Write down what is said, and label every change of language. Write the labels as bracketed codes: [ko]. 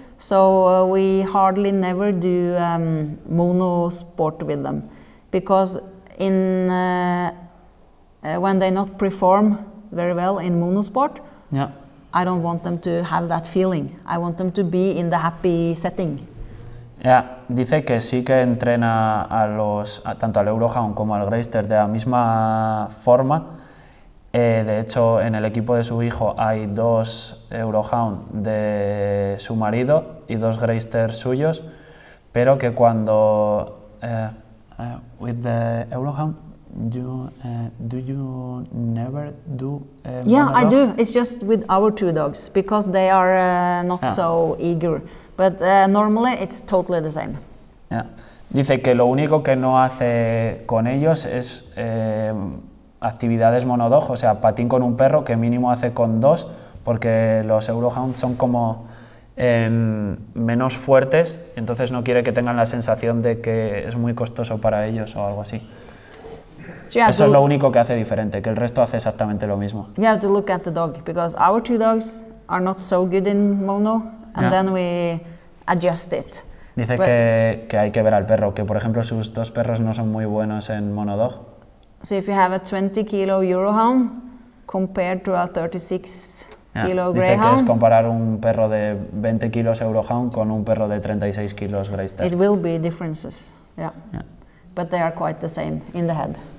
[en] So we hardly never do mono sport with them, because in when they not perform very well in mono sport, yeah. I don't want them to have that feeling. I want them to be in the happy setting. [es] Yeah, dice que sí que entrena a los tanto al Eurohound como al Greyster de la misma forma. De hecho, en el equipo de su hijo hay dos Eurohound de su marido y dos Greyster suyos, pero que cuando [en] with the Eurohound, do you never do? Yeah, I do. It's just with our two dogs because they are not so eager. But normally it's totally the same. Yeah. [es] Dice que lo único que no hace con ellos es actividades monodog, o sea, patín con un perro, que mínimo hace con dos, porque los Eurohounds son como menos fuertes, entonces no quiere que tengan la sensación de que es muy costoso para ellos o algo así. Eso es lo único que hace diferente, que el resto hace exactamente lo mismo. [en] You have to look at the dog, because our two dogs are not so good in mono, and then we adjust it. [es] Dice que hay que ver al perro, que por ejemplo sus dos perros no son muy buenos en monodog. [en] So if you have a 20 kilo Eurohound compared to a 36 kilo Greyhound, [es] dice que es comparar un perro de 20 kilos Eurohound con un perro de 36 kilos Greyster. [en] It will be differences, yeah. But they are quite the same in the head.